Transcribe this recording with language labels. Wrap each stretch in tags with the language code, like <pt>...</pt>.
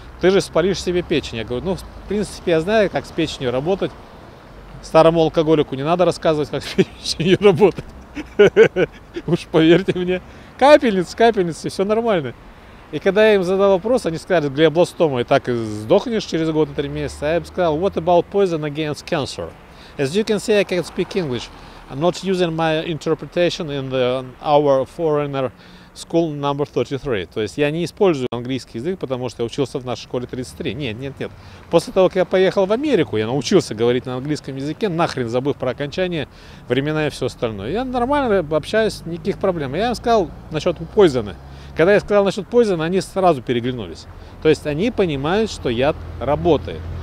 <ru>Ты же спалишь себе печень. Я говорю, ну, в принципе, я знаю, как с печенью работать. Старому алкоголику не надо рассказывать, как с печенью работать. Уж поверьте мне. Капельницы, все нормально. И когда я им задал вопрос, они сказали, глиобластома, и так сдохнешь через год и три месяца. Я бы сказал,</ru> <en>what about poison against cancer? As you can see, I can speak English. I'm not using my interpretation in the our foreigner school number 33.</en> <ru>То есть я не использую английский язык, потому что я учился в нашей школе 33. Нет. После того, как я поехал в Америку, я научился говорить на английском языке, нахрен забыв про окончание, времена и все остальное. Я нормально общаюсь, никаких проблем. Я им сказал насчет poison. Когда я сказал насчет poison, они сразу переглянулись. То есть они понимают, что яд работает.</ru>